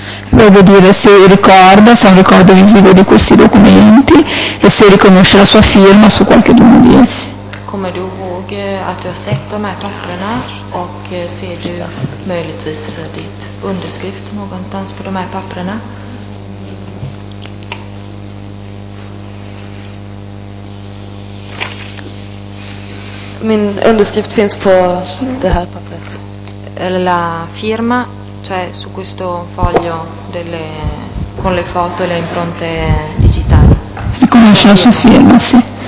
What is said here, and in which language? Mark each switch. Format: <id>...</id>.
<it>Volevo dire se ricorda, se ha un ricordo visivo di questi documenti e se riconosce la sua firma su qualche uno di essi.</it> <sv>Kommer du ihåg att du har sett de här papperna och ser du möjligtvis ditt underskrift någonstans på de här papperna? Min underskrift finns på det här pappret.</sv> <it>La firma, cioè su questo foglio delle, con le foto e le impronte digitali. Riconosce la sua firma, sì.</it>